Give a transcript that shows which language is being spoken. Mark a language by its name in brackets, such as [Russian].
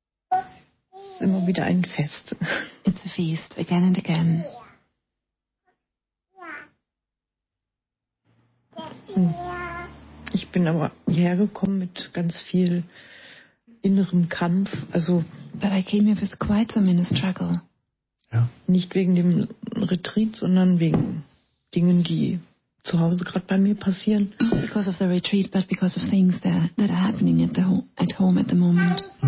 [German] Es ist immer wieder ein Fest. [English] It's a feast, again and again. [German] Ich bin aber hierher gekommen mit ganz viel innerem Kampf. Also, [English] but I came here with quite some inner struggle. [German] Ja. Nicht wegen dem Retreat, sondern wegen Dingen, die zu Hause gerade bei mir passieren. [English] Not because of the retreat, but because of things that are happening at home at the moment.